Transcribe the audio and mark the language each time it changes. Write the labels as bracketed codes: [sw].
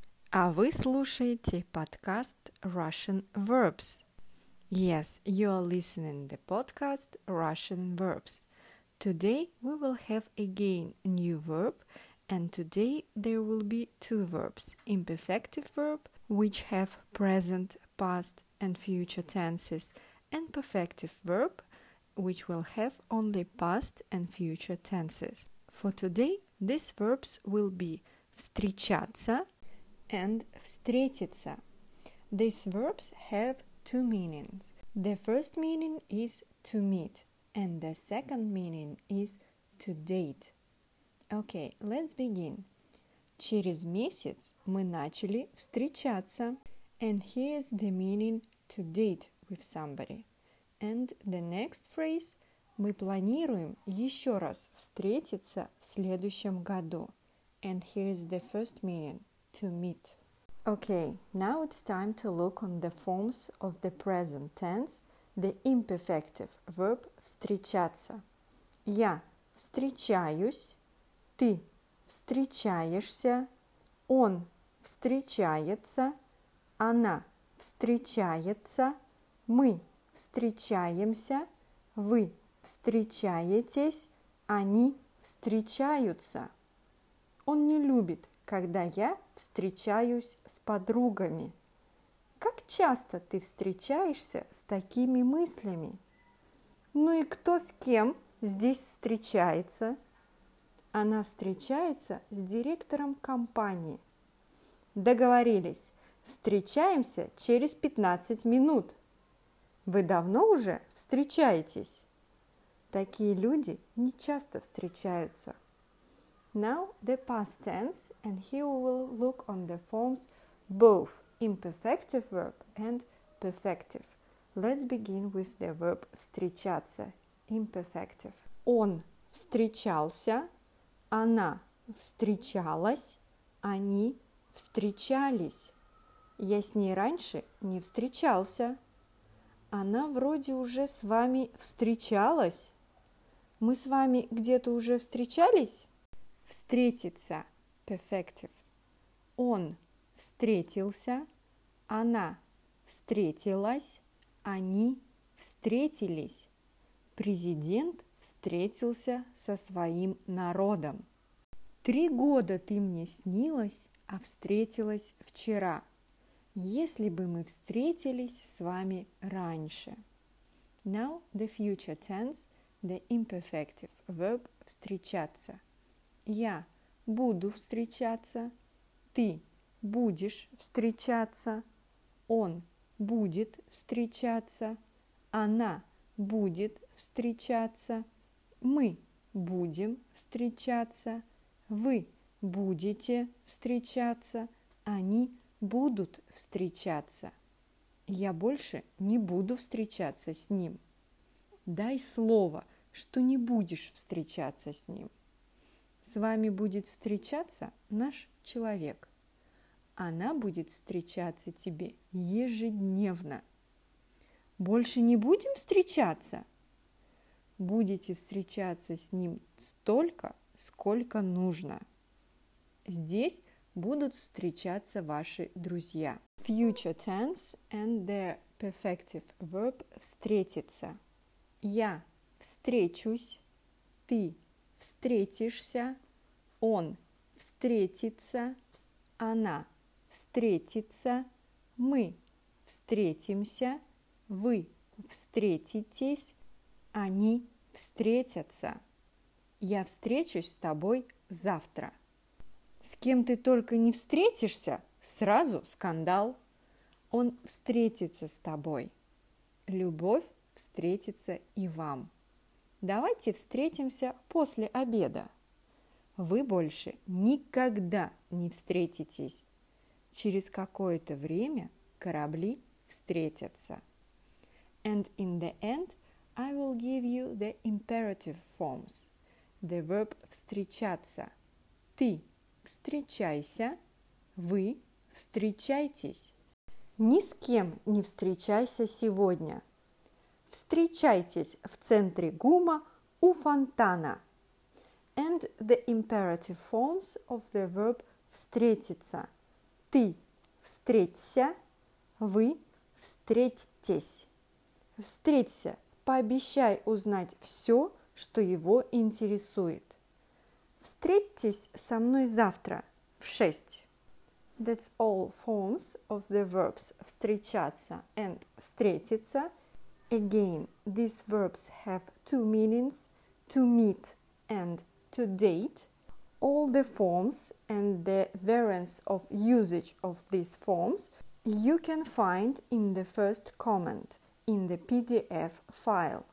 [ru] А вы слушаете подкаст Russian Verbs. [en] Yes, you are listening to the podcast Russian Verbs. Today we will have again new verb, and today there will be two verbs. Imperfective verb, which have present, past and future tenses, and perfective verb, which will have only past and future tenses. For today, these verbs will be встречаться and встретиться. These verbs have two meanings. The first meaning is to meet, and the second meaning is to date. Okay, let's begin. [ru] Через месяц мы начали встречаться. [en] And here is the meaning to date with somebody. And the next phrase. [ru] Мы планируем еще раз встретиться в следующем году. [en] And here is the first meaning, to meet. Okay, now it's time to look on the forms of the present tense, the imperfective verb встречаться. [ru] Я встречаюсь, ты встречаешься, он встречается, она встречается, мы встречаемся, вы встречаетесь, они встречаются. Он не любит, когда я встречаюсь с подругами. Как часто ты встречаешься с такими мыслями? Ну и кто с кем здесь встречается? Она встречается с директором компании. Договорились, встречаемся через 15 минут. Вы давно уже встречаетесь? Такие люди не часто встречаются. [en] Now the past tense, and here we will look on the forms both imperfective verb and perfective. Let's begin with the verb встречаться, imperfective. [ru] Он встречался, она встречалась, они встречались. Я с ней раньше не встречался. Она вроде уже с вами встречалась. Мы с вами где-то уже встречались? Встретиться. Perfective. Он встретился, она встретилась, они встретились. Президент встретился со своим народом. 3 года ты мне снилась, а встретилась вчера. Если бы мы встретились с вами раньше. [en] Now the future tense. The imperfective verb встречаться. [ru] Я буду встречаться, ты будешь встречаться, он будет встречаться, она будет встречаться, мы будем встречаться, вы будете встречаться, они будут встречаться. Я больше не буду встречаться с ним. Дай слово, что не будешь встречаться с ним. С вами будет встречаться наш человек. Она будет встречаться тебе ежедневно. Больше не будем встречаться? Будете встречаться с ним столько, сколько нужно. Здесь будут встречаться ваши друзья. [en] Future tense and the perfective verb встретиться. [ru] Я встречусь, ты встретишься, он встретится, она встретится, мы встретимся, вы встретитесь, они встретятся. Я встречусь с тобой завтра. С кем ты только не встретишься, сразу скандал. Он встретится с тобой. Любовь встретится и вам. Давайте встретимся после обеда. Вы больше никогда не встретитесь. Через какое-то время корабли встретятся. [en] And in the end, I will give you the imperative forms. The verb встречаться. [ru] Ты встречайся, вы встречайтесь. Ни с кем не встречайся сегодня. Встречайтесь в центре ГУМа у фонтана. [en] and the imperative forms of the verb встретиться. [ru] Ты встреться, вы встретитесь. Встреться, пообещай узнать все, что его интересует. Встретьтесь со мной завтра в 6. [en] That's all forms of the verbs встречаться and встретиться. Again, these verbs have two meanings, to meet and to date. All the forms and the variants of usage of these forms you can find in the first comment in the PDF file.